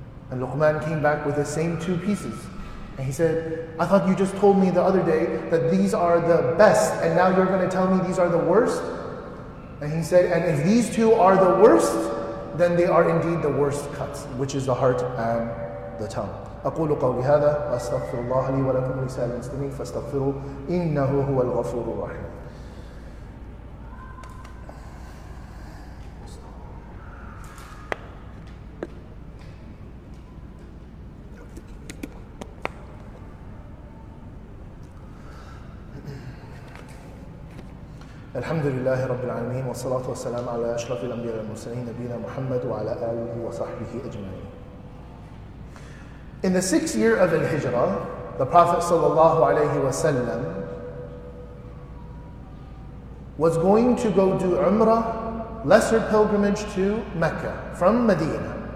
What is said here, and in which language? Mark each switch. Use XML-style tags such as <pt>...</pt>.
<en>And Luqman came back with the same two pieces. And he said, I thought you just told me the other day that these are the best, and now you're going to tell me these are the worst? And he said, and if these two are the worst, then they are indeed the worst cuts, which is the heart and the tongue.</en> <ar>أقول قولي هذا وأستغفر الله لي ولكم ولسائر المسلمين فاستغفروا إنه هو الغفور الرحيم. الحمد لله رب العالمين والصلاة والسلام على أشرف الأنبياء والمرسلين نبينا محمد وعلى آله وصحبه أجمعين.</ar> <en>In the sixth year of Al-Hijrah, the Prophet sallallahu alayhi wa sallam was going to go do Umrah, lesser pilgrimage to Mecca, from Medina.</en>